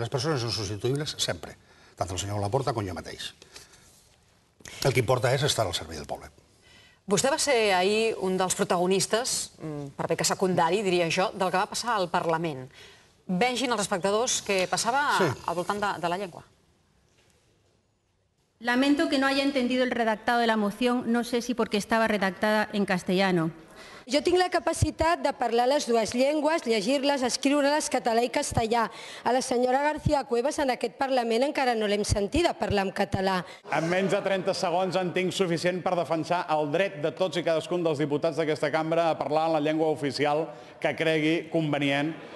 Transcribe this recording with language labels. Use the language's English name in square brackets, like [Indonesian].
[Catalan] Les persones són substituïbles sempre, tant el senyor Laporta com jo mateix. El que importa és estar al servei del poble. Vostè va ser ahir un dels protagonistes, per bé que secundari, diria jo, del que va passar al Parlament. Vegin els espectadors què passava al voltant de la llengua. [Spanish] Lamento que no haya entendido el redactado de la moción, no sé si porque estaba redactada en castellano. [Catalan] Jo tinc la capacitat de parlar les dues llengües, llegir-les, escriure-les català i castellà. A la senyora García Cuevas en aquest Parlament encara no l'hem sentida parlar en català. En menys de 30 segons en tinc suficient per defensar el dret de tots i cadascun dels diputats d'aquesta cambra a parlar en la llengua oficial que cregui convenient.